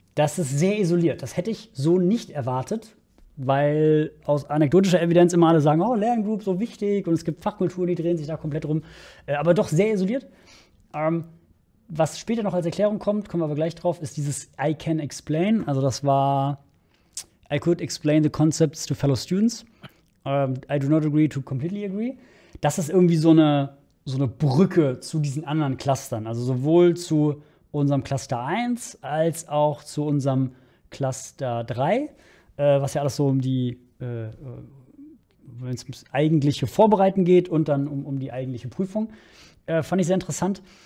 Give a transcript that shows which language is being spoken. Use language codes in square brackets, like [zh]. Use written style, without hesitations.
[de] Das ist sehr isoliert. Das hätte ich so nicht erwartet, weil aus anekdotischer Evidenz immer alle sagen, oh, Lerngroup, so wichtig, und es gibt Fachkulturen, die drehen sich da komplett rum. Aber doch sehr isoliert. Was später noch als Erklärung kommt, kommen wir aber gleich drauf, ist dieses [en] I can explain. [de] Also das war, [en] I could explain the concepts to fellow students. I do not agree to completely agree. [de] Das ist irgendwie so eine Brücke zu diesen anderen Clustern. Also sowohl zu unserem Cluster 1 als auch zu unserem Cluster 3, was ja alles so um die, wenn es ums eigentliche Vorbereiten geht und dann um die eigentliche Prüfung, fand ich sehr interessant.